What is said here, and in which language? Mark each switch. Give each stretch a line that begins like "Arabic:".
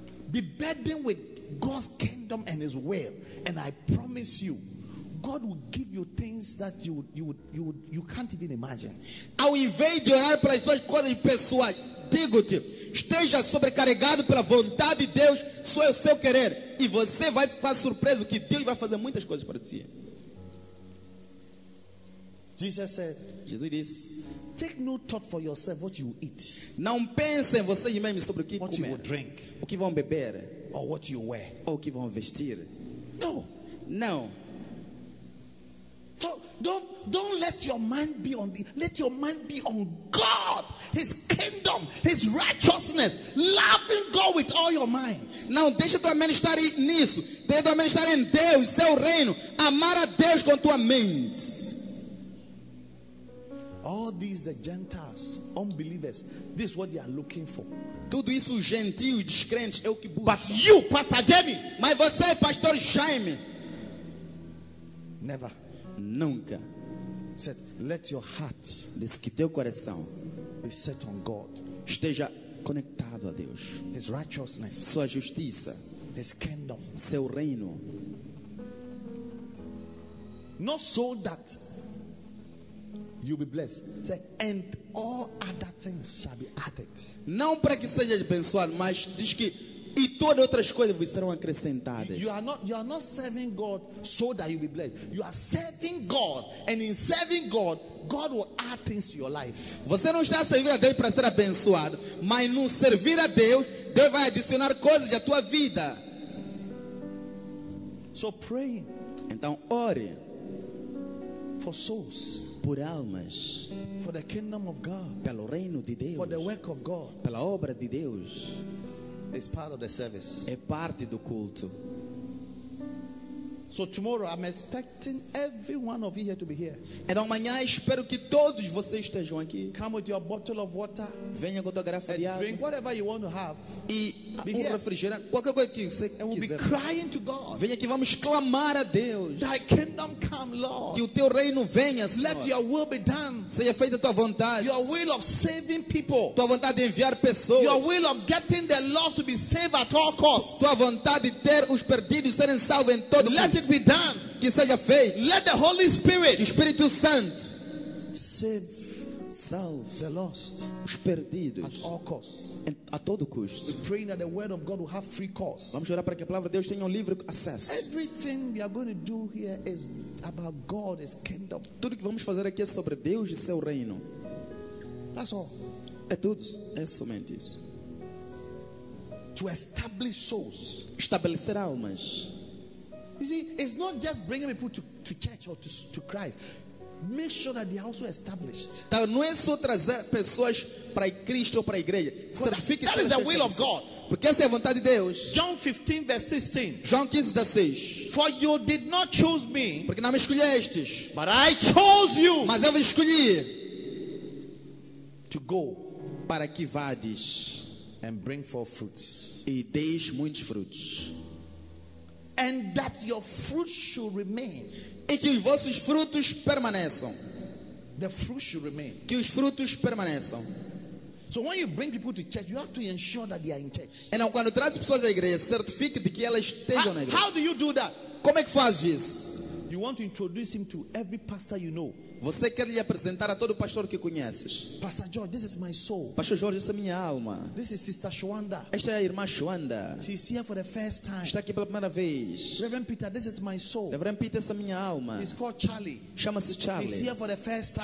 English: Be burdened with God's kingdom and his will. And I promise you. God will give you things that you can't even imagine.
Portuguese: Ao invés de orar pelas suas coisas pessoais, digo-te, esteja sobrecarregado pela vontade de Deus, só é o seu querer. E você vai ficar surpreso que Deus vai fazer muitas coisas para ti.
English: Jesus said,
Portuguese: Jesus disse,
English: take no thought for yourself what you eat.
Portuguese: Não pense em você mesmo sobre o que
English: what
Portuguese: comer,
English: you will drink,
Portuguese: o que vão beber,
English: or what you wear,
Portuguese: ou o que vão vestir.
English: No.
Portuguese: Não.
English: So don't let your mind be on the, let your mind be on God, his kingdom, his righteousness, loving God with all your mind.
Portuguese: Não deixa tua mente estar nisso. Deixa tua mente estar em Deus, seu reino. Amar a Deus com tua mente.
English: All these the Gentiles, unbelievers, this is what they are looking for.
Portuguese: Tudo isso gentil e descrente é o que busca.
English: But you, Pastor Jamie,
Portuguese: mas você, Pastor Jaime,
English: never.
Portuguese: Nunca.
English: Said, let your heart,
Portuguese: diz que teu coração,
English: be set on God,
Portuguese: esteja conectado a Deus,
English: his righteousness,
Portuguese: sua justiça,
English: his kingdom,
Portuguese: seu reino.
English: Not so that you'll be blessed. Said, and all other things shall be added.
Portuguese: Não para que seja abençoado, mas diz que e todas outras coisas vos serão acrescentadas.
English: You are not serving God so that you'll be blessed. You are serving God, and in serving God, God will add things to your life.
Portuguese: Você não está a servir a Deus para ser abençoado, mas no servir a Deus, Deus vai adicionar coisas à tua vida.
English: So pray.
Portuguese: Então ore.
English: For souls,
Portuguese: por almas,
English: for the kingdom of God,
Portuguese: pelo reino de Deus,
English: for the work of God,
Portuguese: pela obra de Deus.
English: It's part of the service.
Portuguese: É parte do culto.
English: So tomorrow I'm expecting every one of you here to be here.
Portuguese: Então amanhã espero que todos vocês estejam aqui.
English: Come with your bottle of water.
Portuguese: Venha com a tua garrafa de água.
English: Drink whatever you want to have.
Portuguese: E
English: be here.
Portuguese: Refrigerante, qualquer coisa que você quiser.
English: And we'll be crying to God.
Portuguese: Venha que vamos clamar a Deus.
English: Thy kingdom come, Lord.
Portuguese: Que o teu reino venha, Senhor.
English: Let your will be done.
Portuguese: Seja feita a tua vontade.
English: Your will of saving people.
Portuguese: Tua vontade de enviar pessoas.
English: Your will of getting the lost to be saved at all costs.
Portuguese: Tua vontade de ter os perdidos serem salvos em todo
English: custo. Let it be done.
Portuguese: Que seja feito.
English: Let the Holy Spirit,
Portuguese: que Espírito Santo,
English: save,
Portuguese: salve
English: the lost,
Portuguese: os perdidos,
English: at all costs,
Portuguese: em, a todo custo.
English: We pray that the Word of God will have free course.
Portuguese: Vamos orar para que a palavra de Deus tenha um livre acesso.
English: Everything we are going to do here is about God, His kingdom.
Portuguese: Tudo que vamos fazer aqui é sobre Deus e Seu reino.
English: That's all.
Portuguese: É tudo. É somente isso.
English: To establish souls.
Portuguese: Estabelecer almas.
English: You see, it's not just bringing people to church or to Christ. Make sure that they are also established.
Portuguese: Então, não é só trazer pessoas para Cristo ou para a igreja.
English: Certifique that is the will of God.
Portuguese: Porque essa é a vontade de Deus.
English: John 15, verse 16.
Portuguese: João 15, 16.
English: For you did not choose me.
Portuguese: Porque não me escolhestes.
English: But I chose you.
Portuguese: Mas eu vos escolhi.
English: To go.
Portuguese: Para que vades.
English: And bring forth fruits.
Portuguese: E deis muitos frutos.
English: And that your fruit should remain.
Portuguese: E que os vossos frutos permaneçam.
English: The fruit should remain.
Portuguese: Que os frutos permaneçam.
English: So when you bring people to church, you have to ensure that they are in church.
Portuguese: E não, quando traz pessoas à igreja, certifique de que elas estejam na igreja.
English: How do you do that?
Portuguese: Como é que faz isso?
English: You want to introduce him to every pastor you know.
Portuguese: Você quer lhe apresentar a todo pastor que conheces.
English: Pastor George, this is my soul.
Portuguese: Pastor Jorge, esta é minha alma.
English: This is Sister Shwanda.
Portuguese: Esta é a irmã Shwanda.
English: She's here for the first time.
Portuguese: Está aqui pela primeira vez.
English: Reverend Peter, this is my soul.
Portuguese: Reverend Peter, esta é minha alma.
English: He's called Charlie.
Portuguese: Chama-se Charlie.
English: He's here for the first time.